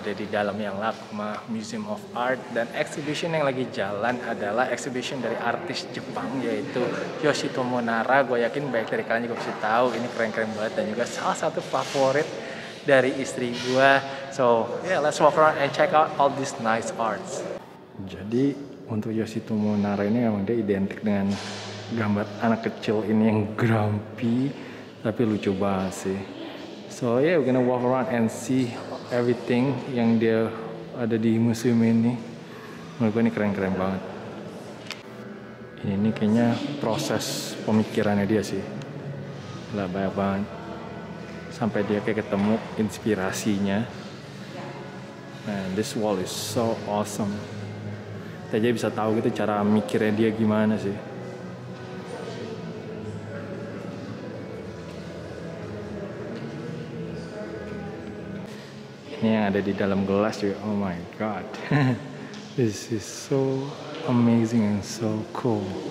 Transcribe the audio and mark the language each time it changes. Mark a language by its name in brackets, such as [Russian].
[Indonesian] Dalam yang LACMA Museum of Art, dan exhibition yang lagi jalan adalah exhibition dari artis Jepang yaitu Yoshitomo Nara. Gue yakin banyak dari kalian juga pasti tahu, ini keren-keren banget dan juga salah satu favorit dari istri gue. [English] So yeah, let's walk around and check out all these nice arts. [Indonesian] Jadi untuk Yoshitomo Nara ini memang dia identik dengan gambar anak kecil ini yang grumpy tapi lucu banget sih. [English] So yeah, we're gonna walk around and see everything [Indonesian] yang dia ada di museum ini. Menurut gue ini keren-keren banget. Ini kayaknya proses pemikirannya dia sih. Gila, banyak banget. Sampai dia kayak ketemu inspirasinya. [English] Man, this wall is so awesome. [Indonesian] Kita aja bisa tahu gitu cara mikirnya dia gimana sih. Yang ada di dalam gelas juga, [English] oh my god, this is so amazing and so cool.